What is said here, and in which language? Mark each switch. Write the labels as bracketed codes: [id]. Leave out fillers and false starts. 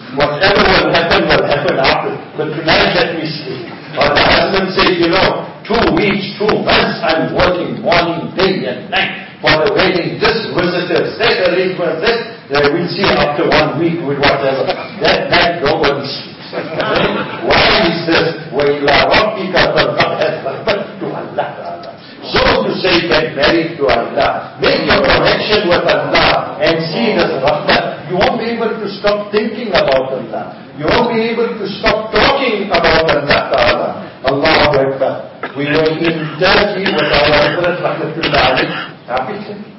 [en] Whatever will happen after. But tonight let me sleep. But the husband says, you know, 2 weeks, 2 months, I'm working morning, day and night. For the wedding, this visitor, that arrangement, this, we'll see after 1 week with whatever. That night, nobody sleeps. Why is this? [ar] وَإِلَىٰ رَبِّكَ فَالْفَرْفَ [en] to Allah. So to say, get married to Allah. Make your connection with Allah and see this rahmat. You won't be able to stop thinking about Allah. You won't be able to stop talking about Allah. Allah Akbar. We were in Turkey with our Hazrat Rahmatullah Ali.